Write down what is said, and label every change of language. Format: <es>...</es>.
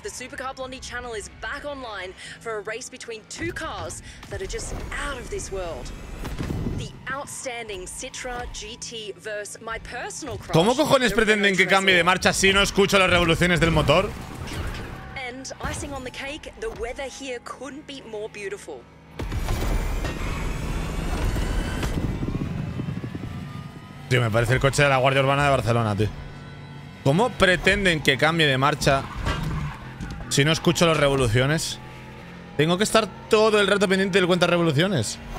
<en>The Supercar Blondie channel is back online for a race between two cars that are just out of this world. The outstanding Citra GT versus my personal crush.</en> <es>¿Cómo cojones pretenden que cambie de marcha si no escucho las revoluciones del motor?</es> <en>And icing on the cake, the weather here couldn't be more beautiful.</en> <es>Tío, me parece el coche de la Guardia Urbana de Barcelona, tío. ¿Cómo pretenden que cambie de marcha si no escucho las revoluciones? Tengo que estar todo el rato pendiente del cuenta revoluciones.</es>